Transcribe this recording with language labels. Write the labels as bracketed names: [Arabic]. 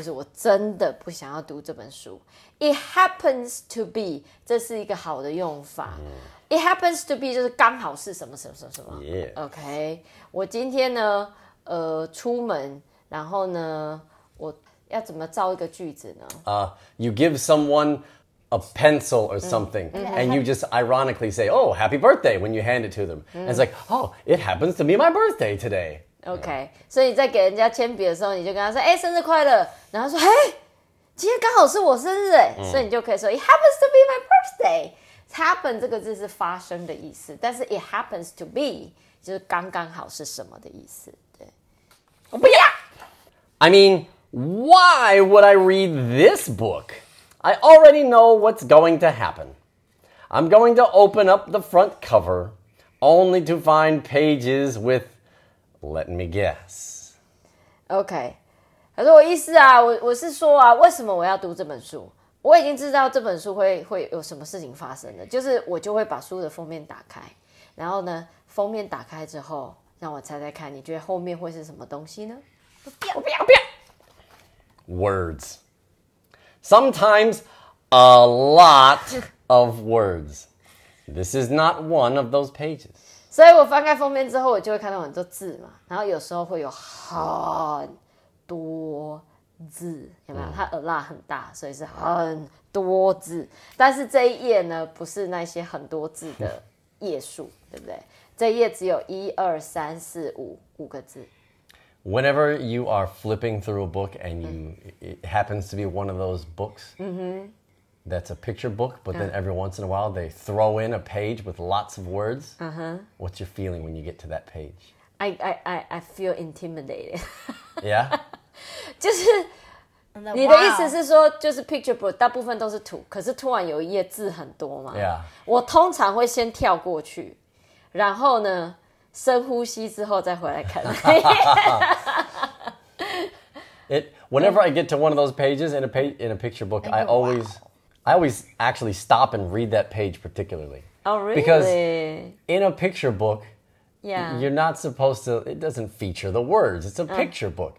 [Chinese] 他说啊,我知道啊,这个我不想读这本书刚好是这本书的书名,但是呢,让我再说一次,就是我真的不想要读这本书. [English] It happens to be, [Chinese] 这是一个好的用法。 [English] It happens to be [Chinese] 就是刚好是什么什么什么什么 [English] Yeah. OK. [Chinese] 我今天呢, 出门, 然后呢, 我要怎么造一个句子呢? [English] You give someone a pencil or something, and you just ironically say, oh, happy birthday, when you hand it to them. And it's like, oh, it happens to be my birthday today. OK. [Chinese] 所以你在给人家铅笔的时候,你就跟他说,欸,生日快乐。然后说,欸,今天刚好是我生日欸。所以你就可以说, [English] it happens to be my birthday. [Chinese] Happen 这个字是发生的意思，但是 [English] it happens to be [Chinese] 就是刚刚好是什么的意思。对，我不要。 [English] I mean, why would I read this book? I already know what's going to happen. I'm going to open up the front cover, only to find pages with, let me guess. [Chinese] Okay, 他说我意思啊，我是说啊，为什么我要读这本书？我已经知道这本书 会有什么事情发生了，就是我就会把书的封面打开，然后呢，封面打开之后，让我猜猜看，你觉得后面会是什么东西呢？不要 [English] Words. Sometimes a lot of words. This is not one of those pages. [Chinese] 所以我翻开封面之后，我就会看到很多字嘛，然后有时候会有很多字，有没有？它 a lot 很大，所以是很多字。但是这一页呢，不是那些很多字的页数，对不对？这一页只有一二三四五五个字。 [English] Whenever you are flipping through a book and you it happens to be one of those books, that's a picture book, but then every once in a while they throw in a page with lots of words. What's your feeling when you get to that page? I feel intimidated. Yeah. [Chinese] 就是你的意思是说，就是 picture book 大部分都是图，可是突然有一页字很多嘛。 [English] Yeah. [Chinese] 我通常会先跳过去，然后呢，深呼吸之后再回来看。 [English] Whenever I get to one of those pages in a picture book, I always actually stop and read that page particularly. Oh, really? Because in a picture book. Yeah. You're not supposed to, it doesn't feature the words. It's a picture book.